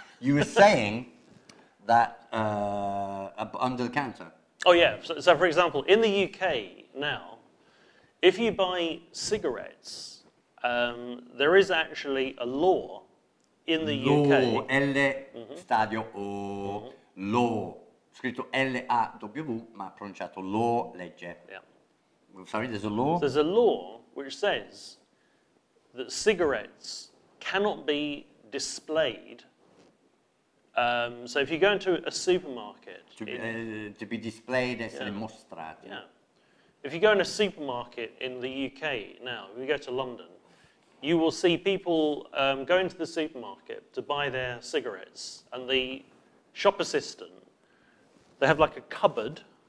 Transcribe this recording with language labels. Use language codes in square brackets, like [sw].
[en] You were saying... that under the counter. Oh yeah, so for example, in the UK now, if you buy cigarettes, there is actually a law in the law, UK. Law, L, stadio, O, law. [it] Scritto L-A-W, ma pronunciato law, legge. [en] Yeah. Sorry, there's a law? So there's a law which says that cigarettes cannot be displayed. So if you go into a supermarket... To be displayed as yeah. mostrato. Yeah. If you go in a supermarket in the UK now, if you go to London, you will see people go into the supermarket to buy their cigarettes, and the shop assistant, they have like a cupboard.